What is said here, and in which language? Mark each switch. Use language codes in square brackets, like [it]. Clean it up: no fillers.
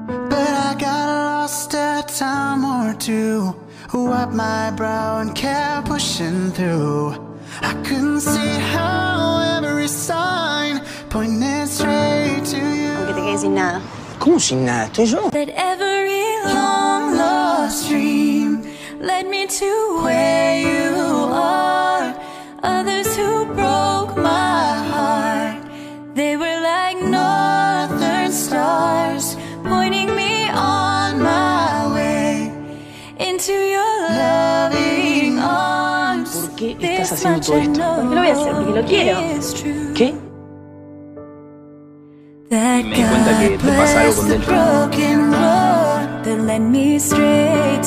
[en] But I got lost a time or two, wiped my brow and kept pushing through. I couldn't see how every sign pointed straight to you. [es] Aunque te quedes sin nada. ¿Cómo sin nada? ¿Estoy yo? [en] That every long lost dream led me to where you are. Others who broke my heart, they were like northern stars, pointing me on my way into your loving arms. [es] ¿Por qué estás haciendo todo esto? Porque lo voy a hacer, porque lo quiero. ¿Qué? [en] That me God bless the broken road that led me straight